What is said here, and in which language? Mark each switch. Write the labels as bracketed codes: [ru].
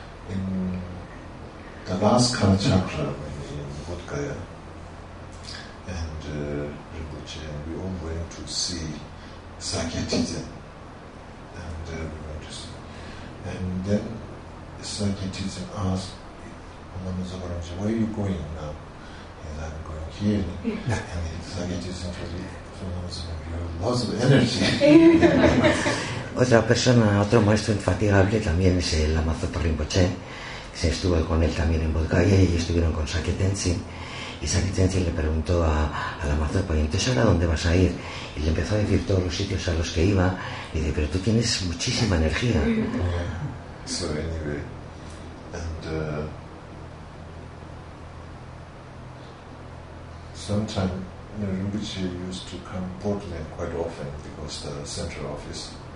[en] In the last Kala Chakra in Bodh Gaya, and Rinpoche, and we all went to see Sakya Tizen, and we went to see. And then Sakya Tizen asked, Lama Tsongkhapa Rinpoche, where are you going now? And I'm going here. And Sakya Tizen told Lama Tsongkhapa Rinpoche, you have lots of energy. [es] Otra persona, otro maestro infatigable también es el Lama Tsongkhapa Rinpoche. Se estuvo con él también en Bodh Gaya y estuvieron con Sakya Tenzin. Y Sakya Tenzin le preguntó a Lama Tsongkhapa, ¿y entonces ahora dónde vas a ir? Y le empezó a decir todos los sitios a los que iba. Y dice, pero tú tienes muchísima energía. [en] So anyway, and sometimes, you know, Rinpoche used to come to Portland quite often because the central office.